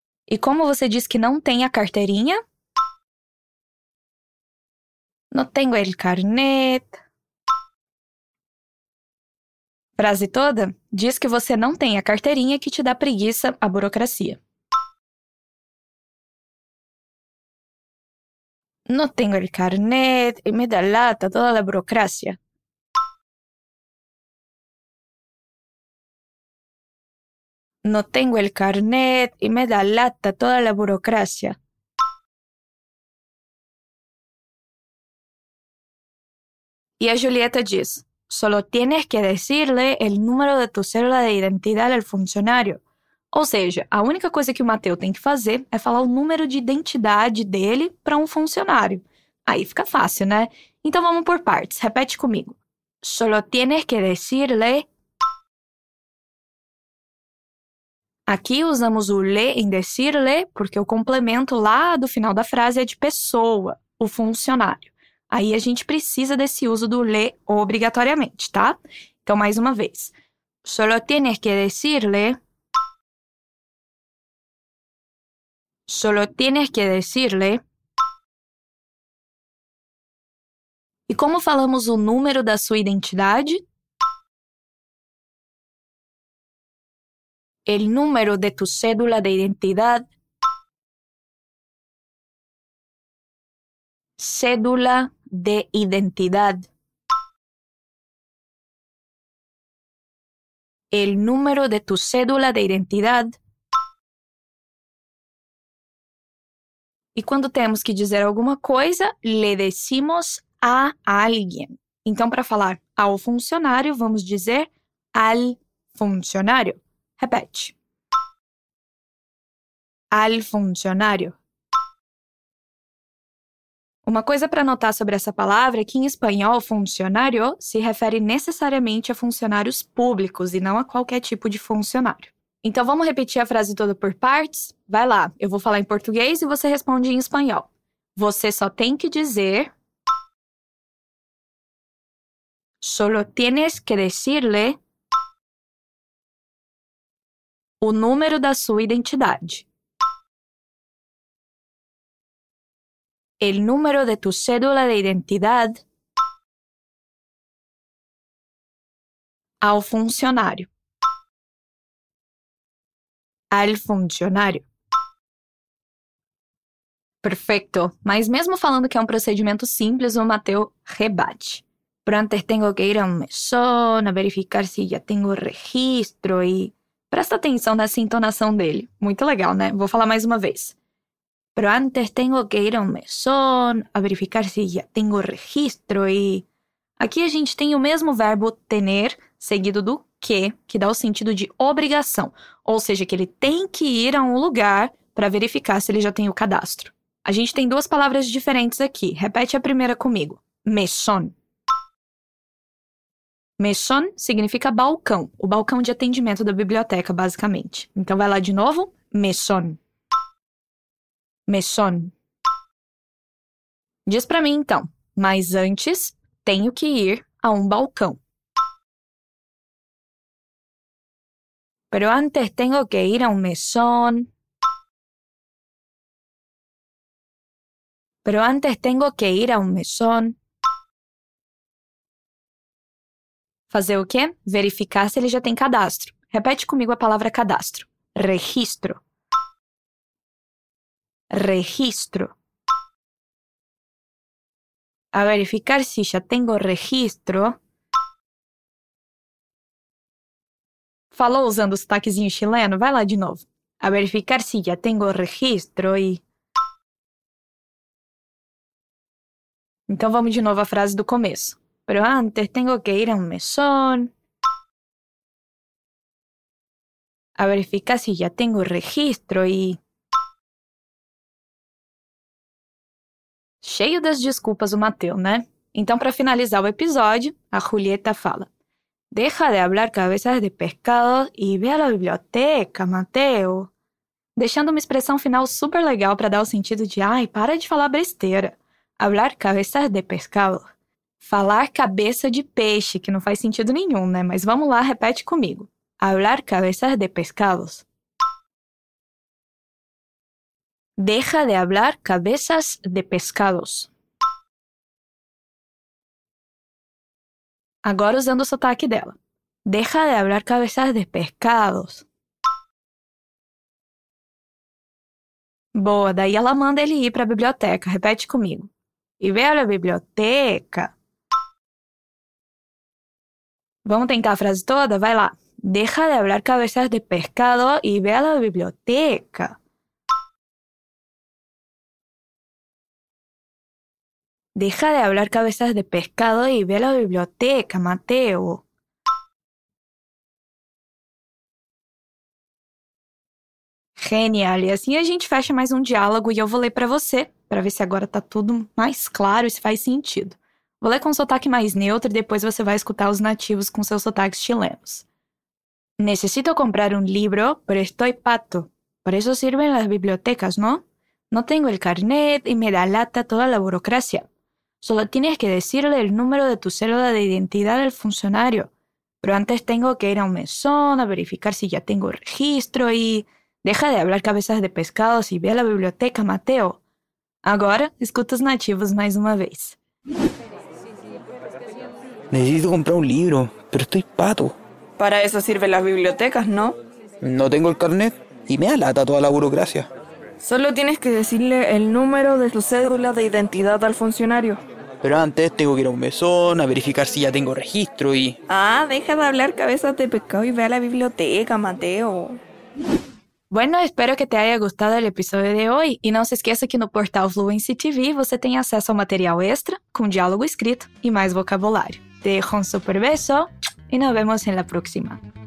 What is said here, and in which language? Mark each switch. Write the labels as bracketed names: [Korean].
[Portuguese] E como você diz que não tem a carteirinha? [Spanish] No tengo el carnet. [Portuguese] Frase toda? Diz que você não tem a carteirinha que te dá preguiça a burocracia. [Spanish] No tengo el carnet y me da lata toda la burocracia. No tengo el carnet y me da lata toda la burocracia. Y a Julieta dice, solo tienes que decirle el número de tu cédula de identidad al funcionario. [Portuguese] Ou seja, a única coisa que o Mateu tem que fazer é falar o número de identidade dele para um funcionário. Aí fica fácil, né? Então vamos por partes. Repete comigo. [Spanish] Solo tienes que decirle. [Portuguese] Aqui usamos o le em decirle porque o complemento lá do final da frase é de pessoa, o funcionário. Aí a gente precisa desse uso do le obrigatoriamente, tá? Então, mais uma vez. [Spanish] Solo tienes que decirle. Solo tienes que decirle. [Portuguese] E como falamos o número da sua identidade? [Spanish] El número de tu cédula de identidad. Cédula de identidad. El número de tu cédula de identidad. [Portuguese] E quando temos que dizer alguma coisa, [Spanish] le decimos a alguien. [Portuguese] Então, para falar ao funcionário, vamos dizer [Spanish] al funcionário. [Portuguese] Repete. [Spanish] Al funcionário. [Portuguese] Uma coisa para notar sobre essa palavra é que em espanhol, funcionário se refere necessariamente a funcionários públicos e não a qualquer tipo de funcionário. Então, vamos repetir a frase toda por partes? Vai lá, eu vou falar em português e você responde em espanhol. Você só tem que dizer... [Spanish] Solo tienes que decirle... [Portuguese] O número da sua identidade. [Spanish] El número de tu cédula de identidad... [Portuguese] Ao funcionário. [Spanish] Al funcionário. [Portuguese] Perfeito. Mas mesmo falando que é um procedimento simples, o Mateu rebate. [Spanish] Pero antes tengo que ir a un mesón a verificar si ya tengo registro y... [Portuguese] Presta atenção nessa entonação dele. Muito legal, né? Vou falar mais uma vez. [Spanish] Pero antes tengo que ir a un mesón a verificar si ya tengo registro y... [Portuguese] Aqui a gente tem o mesmo verbo tener seguido do que dá o sentido de obrigação, ou seja, que ele tem que ir a um lugar para verificar se ele já tem o cadastro. A gente tem duas palavras diferentes aqui. Repete a primeira comigo. [Spanish] Mesón. [Portuguese] Mesón significa balcão, o balcão de atendimento da biblioteca, basicamente. Então, vai lá de novo. Mesón. Mesón. Diz para mim, então. Mas antes, tenho que ir a um balcão. [Spanish] Pero antes tengo que ir a un mesón. Pero antes tengo que ir a un mesón. [Portuguese] Fazer o quê? Verificar se ele já tem cadastro. Repete comigo a palavra cadastro. Registro. [Spanish] Registro. A verificar si ya tengo registro. [Portuguese] Falou usando o sotaquezinho chileno? Vai lá de novo. A verificar se já tenho registro e... Então vamos de novo à frase do começo. [Spanish] Pero antes tengo que ir a un mesón. [Portuguese] A verificar se já tenho registro e... Cheio das desculpas o Mateo, né? Então para finalizar o episódio, a Julieta fala... [Spanish] Deja de hablar cabezas de pescado y ve a la biblioteca, Mateo. [Portuguese] Deixando uma expressão final super legal para dar o sentido de ai, para de falar besteira. [Spanish] Hablar cabezas de pescado. [Portuguese] Falar cabeça de peixe, que não faz sentido nenhum, né? Mas vamos lá, repete comigo. [Spanish] Hablar cabezas de pescados. Deja de hablar cabezas de pescados. [Portuguese] Agora usando o sotaque dela. [Spanish] Deja de hablar cabezas de pescados. [Portuguese] Boa, daí ela manda ele ir para a biblioteca. Repete comigo. [Spanish] Y ve a la biblioteca. [Portuguese] Vamos tentar a frase toda? Vai lá. [Spanish] Deja de hablar cabezas de pescado y ve a la biblioteca. Deja de hablar cabezas de pescado y ve a la biblioteca, Mateo. [Portuguese] Genial! E assim a gente fecha mais um diálogo e eu vou ler para você, para ver se agora tá tudo mais claro e se faz sentido. Vou ler com um sotaque mais neutro e depois você vai escutar os nativos com seus sotaques chilenos. [Spanish] Necesito comprar un libro, pero estoy pato. Por eso sirven las bibliotecas, ¿no? No tengo el carnet y me da lata toda la burocracia. Solo tienes que decirle el número de tu cédula de identidad al funcionario. Pero antes tengo que ir a un mesón a verificar si ya tengo registro y... Deja de hablar cabezas de pescados y ve a la biblioteca, Mateo. Ahora, [Portuguese] escuta [Spanish] los nativos más una vez. Necesito comprar un libro, pero estoy pato. Para eso sirven las bibliotecas, ¿no? No tengo el carnet y me da lata toda la burocracia. Solo tienes que decirle el número de su cédula de identidad al funcionario. Pero antes tengo que ir a un mesón a verificar si ya tengo registro y... Ah, deja de hablar cabezas de pescado y ve a la biblioteca, Mateo. Bueno, espero que te haya gustado el episodio de hoy. Y no se [Portuguese] esqueça que no portal Fluency TV você tem acesso ao material extra, com diálogo escrito e mais vocabulário. [Spanish] Te dejo un super beso y nos vemos en la próxima.